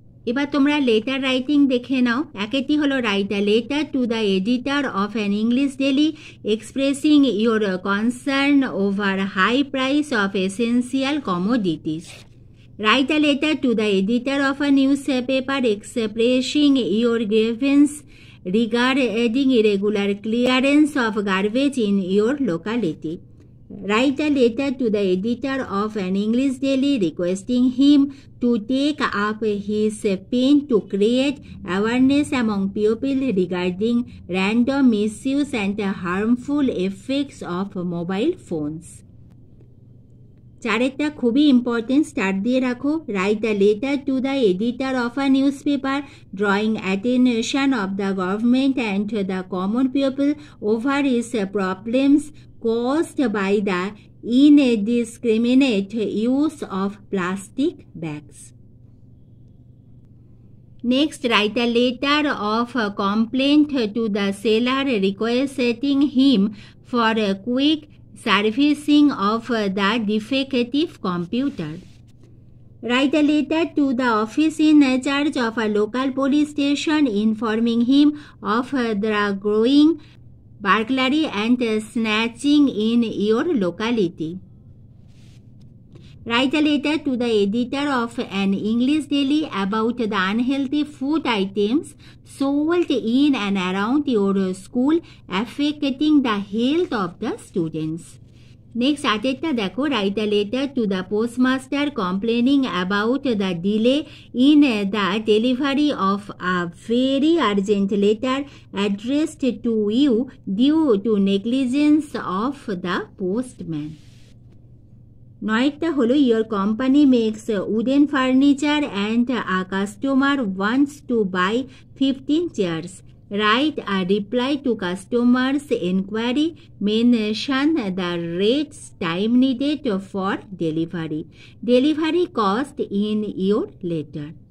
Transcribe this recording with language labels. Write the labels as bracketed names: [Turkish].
[Bangla] এবার তোমরা letter writing দেখে নাও। একটি হলো, [English] Write a letter to the editor of an English daily expressing your concern over high price of essential commodities. Write a letter to the editor of a newspaper expressing your grievance regarding irregular clearance of garbage in your locality. Write a letter to the editor of an English daily requesting him to take up his pen to create awareness among people regarding random misuse and harmful effects of mobile phones. [Bangla] চারেরটা খুবই important, start দিয়ে রাখো। [English] Write the letter to the editor of a newspaper drawing attention of the government and the common people over is problems caused by the indiscriminate use of plastic bags. Next, write a letter of complaint to the seller requesting him for quick servicing of the defective computer. Write a letter to the office in charge of a local police station informing him of the growing burglary and snatching in your locality. Write a letter to the editor of an English daily about the unhealthy food items sold in and around your school affecting the health of the students. Next, [Bangla] atetta dekho, [English] write a letter to the postmaster complaining about the delay in the delivery of a very urgent letter addressed to you due to negligence of the postman. [Bangla] নয়টা হলো, [English] Your company makes wooden furniture and a customer wants to buy 15 chairs. Write a reply to customer's enquiry mention the rates time needed for delivery delivery cost in your letter.